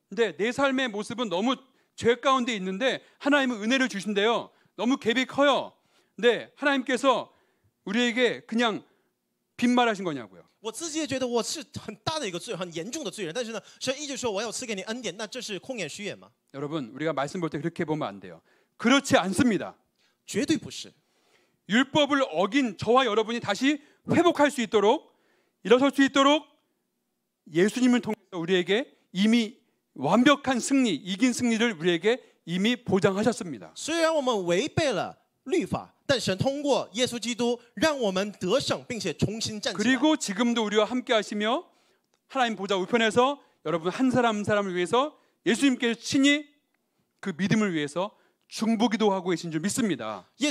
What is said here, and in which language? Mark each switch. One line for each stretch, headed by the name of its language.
Korean: 네, 내 삶의 모습은 너무 죄 가운데 있는데 하나님은 은혜를 주신대요. 너무 갭이 커요. 네, 하나님께서 우리에게 그냥 빈말하신 거냐고요.
Chinese: 我自己也觉得我是很大的一个罪，很严重的罪人。但是呢，神一直说我要赐给你恩典，那这是空言虚语吗？
Korean: 여러분, 우리가 말씀 볼 때 그렇게 보면 안 돼요. 그렇지 않습니다.
Chinese: 绝对不是.
Korean: 율법을 어긴 저와 여러분이 다시 회복할 수 있도록 일어설 수 있도록 예수님을 통해서 우리에게 이미 완벽한 승리, 이긴 승리를 우리에게 이미 보장하셨습니다.
Chinese: 虽然我们违背了律法。但神通过耶稣基督让我们得胜，并且重新站起来。
Korean: 그리고 지금도 우리와 함께하시며 하나님 보좌 우편에서 여러분 한 사람 한 사람을 위해서 예수님께서 친히 그 믿음을 위해서 중보기도 하고 계신 줄 믿습니다.